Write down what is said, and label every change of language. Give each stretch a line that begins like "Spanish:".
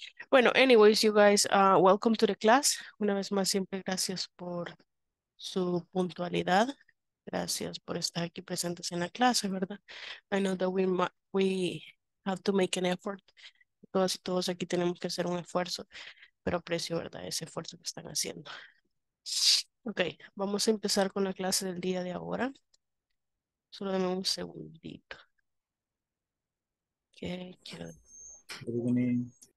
English: Bueno, anyways, you guys, welcome to the class.
Spanish: Una vez más, siempre gracias por su puntualidad. Gracias por estar aquí presentes en la clase, ¿verdad?
English: I know that we have to make an effort.
Spanish: Todas y todos aquí tenemos que hacer un esfuerzo, pero aprecio, ¿verdad?, ese esfuerzo que están haciendo. Ok, vamos a empezar con la clase del día de ahora. Solo denme un segundito. Okay, quiero. Good